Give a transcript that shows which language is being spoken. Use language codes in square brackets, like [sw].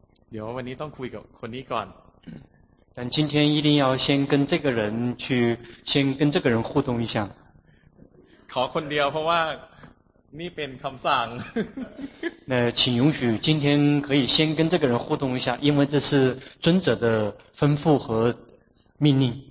[th] เดี๋ยววันนี้ต้องคุยกับคนนี้ก่อน [zh] 但今天一定要先跟这个人去先跟这个人互动一下 [th] ขอคนเดียวเพราะว่านี่เป็นคำสั่ง [zh] 那请允许今天可以先跟这个人互动一下因为这是尊者的吩咐和命令